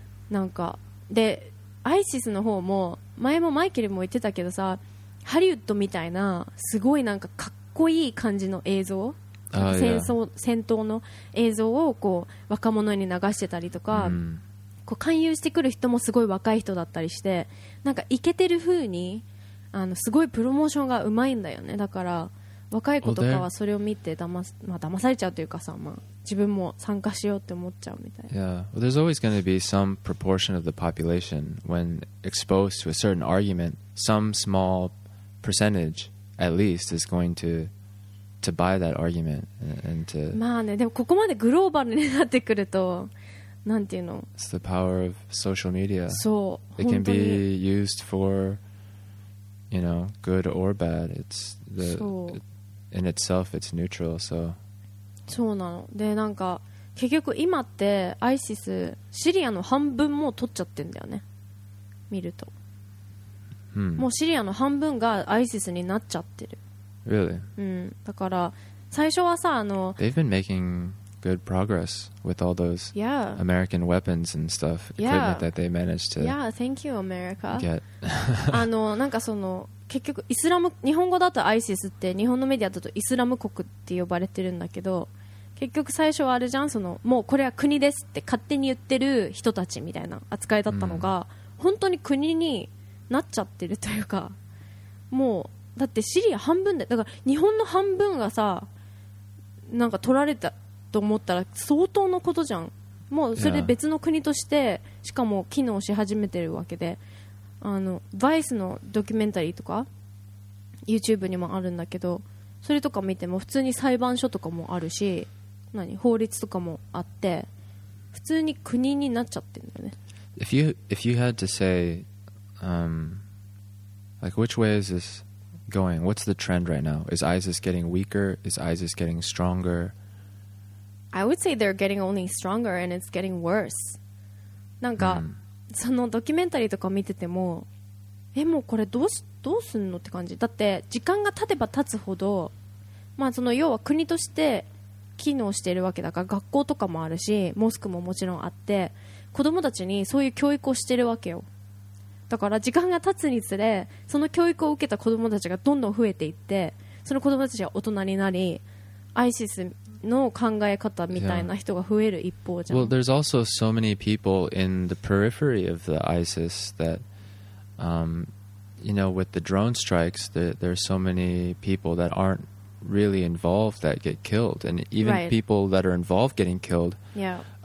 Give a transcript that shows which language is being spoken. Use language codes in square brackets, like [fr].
[ja] なんかで ISIS の方も前もマイケルも言ってたけどさ、ハリウッドみたいなすごいなんかかっこいい感じの映像、戦争、戦闘の映像をこう若者に流してたりとか、こう勧誘してくる人もすごい若い人だったりして、なんかイケてる風にあのすごいプロモーションがうまいんだよね。だから若い子とかはそれを見て騙されちゃうというかさ、まあ自分も参加しようって思っちゃうみたいな。 [en] Yeah, well, there's always going to be some proportion of the population when exposed to a certain argument, some small percentage at least is going to buy that argument and to [ja] まあね、でもここまでグローバルになってくるとなんていうの、 [en] It's the power of social media. [ja] そう、 [en] It can be used for, you know, good or bad. It's the in itself, it's neutral. So [ja] そうなので、なんか結局今って ISIS シリアの半分も取っちゃってんだよね、見ると、 hmm. もうシリアの半分が ISIS になっちゃってる。 [en] Really? [ja] だから最初はさ、あの [en] They've been making good progress with all those yeah. American weapons and stuff yeah. equipment that they managed to Yeah, thank you, America. get. [ja] あのなんかその結局イスラム、日本語だと ISIS って日本のメディアだとイスラム国って呼ばれてるんだけど、結局最初はあれじゃん、そのもうこれは国ですって勝手に言ってる人たちみたいな扱いだったのが、本当に国になっちゃってるというか、もうだってシリア半分で、だから日本の半分がさなんか取られたと思ったら相当のことじゃん。もうそれで別の国としてしかも機能し始めてるわけで、あのバイスのドキュメンタリーとか YouTube にもあるんだけど、それとか見ても普通に裁判所とかもあるし、何法律とかもあって、普通に国になっちゃってるんだよね。 [en] If you had to say like which way is thisGoing. What's the trend right now? Is ISIS getting weaker? Is ISIS getting stronger? I would say they're getting only stronger and it's getting worse. [ja] なんか、そのドキュメンタリーとか見てても、え、もうこれどうすんのって感じ。だって時間が経てば経つほど、まあその要は国として機能しているわけだから、学校とかもあるし、モスクももちろんあって、子供たちにそういう教育をしているわけよ。だから時間が経つにつれその教育を受けた子どもたちがどんどん増えていって、その子どもたちは大人になり ISIS の考え方みたいな人が増える一方じゃん。 [en] Well, there's also so many people in the periphery of the ISIS that you know, with the drone strikes there's so many people that aren't really involved that get killed, and even right. people that are involved getting killed yeah.